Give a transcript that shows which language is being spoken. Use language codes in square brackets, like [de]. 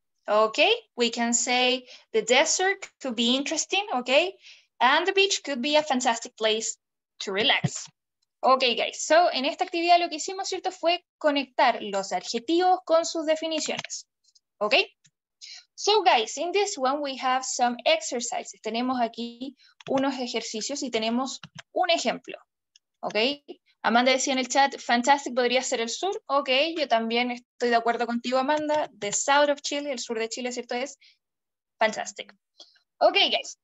[en] Ok, we can say the desert could be interesting, ok. And the beach could be a fantastic place to relax. [es] Ok, guys, so en esta actividad lo que hicimos, ¿cierto?, fue conectar los adjetivos con sus definiciones. Ok. [en] So guys, in this one we have some exercises. [es] Tenemos aquí unos ejercicios y tenemos un ejemplo. ¿Ok? Amanda decía en el chat, fantastic podría ser el sur. Ok, yo también estoy de acuerdo contigo, Amanda. [en] The south of Chile, [es] el sur de Chile, ¿cierto? Es [en] fantastic. Ok, guys.